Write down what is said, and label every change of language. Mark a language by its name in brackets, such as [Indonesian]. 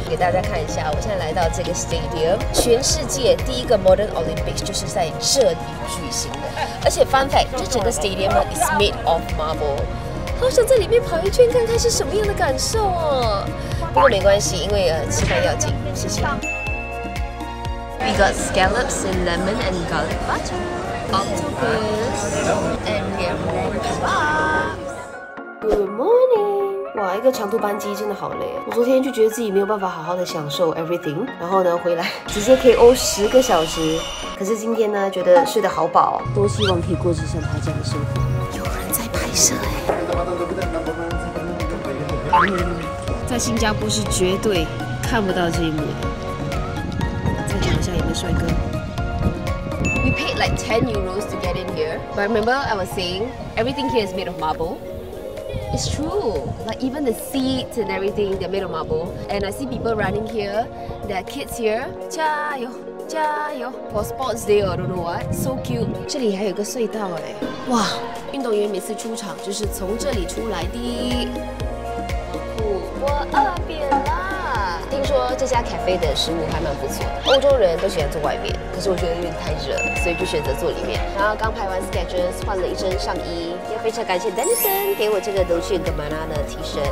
[Chinese] 给大家看一下，我现在来到这个 stadium， 全世界第一个 [English] modern Olympics [Chinese] 就是在这里举行的。而且 [English] fun fact， [Chinese] 这整个 [English] stadium is made of marble。 [Chinese] 好想在里面跑一圈，看看是什么样的感受哦。不过没关系，因为吃饭要紧。谢谢。 [English] We got scallops and lemon and garlic butter, octopus and kebabs. Good morning. [Chinese] 哇，一个长途班机真的好累啊！我昨天就觉得自己没有办法好好的享受 everything， 然后呢回来直接 KO 10个小时。可是今天呢，觉得睡得好饱，多希望可以过着像他这样的生活。有人在拍摄哎。在新加坡是绝对看不到这一幕的。再讲一下有没有帅哥。 [English] We paid like 10 euros to get in here, but remember I was saying everything here is made of marble. It's true, like even the seats and everything they're made of marble. And I see people running here, there are kids here. [Chinese] 加油加油 [English] ！For sports day or I don't know what, so cute. [Chinese] 这里还有个隧道哎，哇！运动员每次出场就是从这里出来的。我饿扁啦！听说这家咖啡的食物还蛮不错的。欧洲人都喜欢坐外面，可是我觉得有点太热，所以就选择坐里面。然后刚拍完 sketches， 换了一身上衣，也非常感谢 Denison 给我这个 Dolce & Gabbana 的提升。